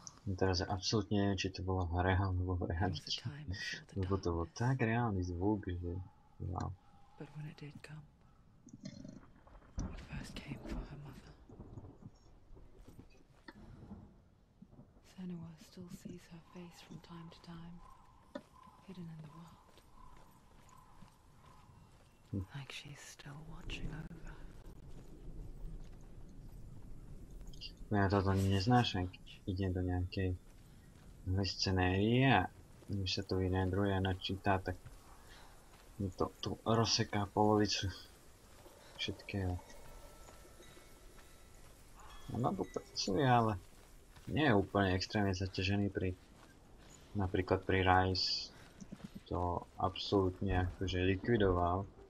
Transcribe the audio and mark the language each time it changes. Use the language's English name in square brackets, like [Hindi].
[Slovak] Teraz absolútne neviem, či to bolo reálne alebo v reality. Lebo to bol tak reálny zvuk, že... Wow. [English] But when it did come, it first came for her mother. Senua still sees her face from time to time, hidden in the world. Like she's still watching over. [Slovak] No ja toto ani neznáš, ak ide do nejakej scenérie a mi sa to iné druhé načítá, tak mi to tu rozseká polovicu všetkého. Ona tu pracuje, ale nie je úplne extrémne zaťažený pri napríklad pri Rise to absolútne akože likvidoval.